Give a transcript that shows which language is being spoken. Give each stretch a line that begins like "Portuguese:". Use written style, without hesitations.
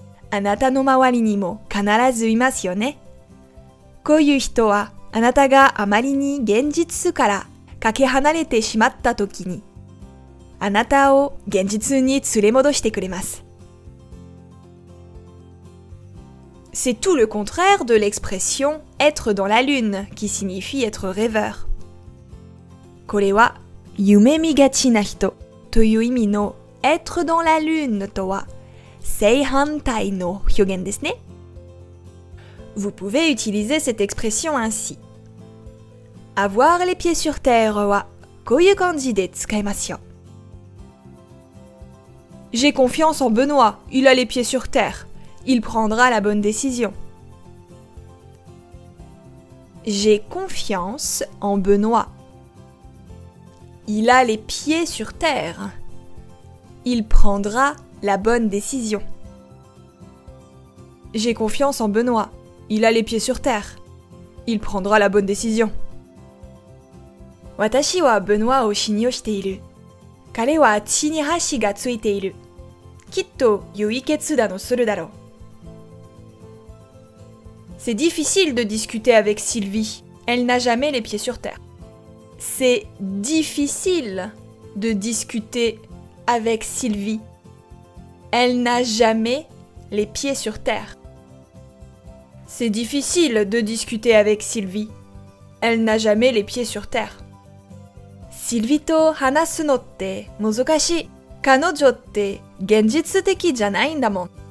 Japanese: あなたの周りにも必ずいますよね。こういう人は、あなたがあまりに現実からかけ離れてしまったときに、あなたを現実に連れ戻してくれます。
French: C'est tout le contraire de l'expression « être dans la lune » qui signifie être rêveur.
Japanese: これは、夢見がちな人という意味の
French: 「être dans la lune」
Japanese: とは、正反対の表現ですね。
French: Vous pouvez utiliser cette expression ainsi. Avoir les pieds sur terre
Japanese: は、こういう感じで使いますよ。
French: J'ai confiance en Benoît, il a les pieds sur terre. Il prendra la bonne décision. J'ai confiance en Benoît. Il a les pieds sur terre. Il prendra la bonne décision. J'ai confiance en Benoît. Il a les pieds sur terre. Il prendra la bonne décision.
Japanese: 私は Benoît を信用している。彼は地に足がついている。きっと良い決断をするだろう。
French: C'est difficile de discuter avec Sylvie. Elle n'a jamais les pieds sur terre. C'est difficile de discuter avec Sylvie. Elle n'a jamais les pieds sur terre. C'est difficile de discuter avec Sylvie. Elle n'a jamais les pieds sur terre.
Japanese: Sylvie と話すのって難しい。彼女って現実的じゃないんだもん。